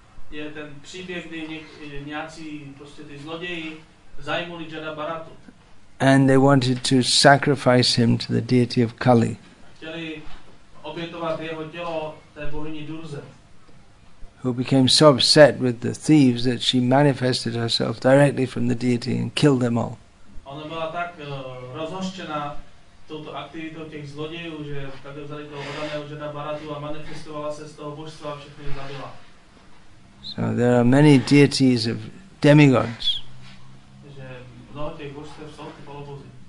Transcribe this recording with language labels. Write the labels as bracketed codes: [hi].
[cs] Je ten příběh, kdy nějací prostě ty zloději zajmuli Jarabharatu. [en] And they wanted to sacrifice him to the deity of Kali. [cs] Chtěli obětovat jeho tělo té bohyni Durze. [en] Who became so upset with the thieves that she manifested herself directly from the deity and killed them all. [cs] Ona byla tak rozhořčena touto aktivitou těch zlodějů, že tady vzali toho hodaného žena Bharatu a manifestovala se z toho božstva a všechny zabila. [en] So there are many deities of demigods. [cs] Že mnoho těch božstev jsou ty polobozy.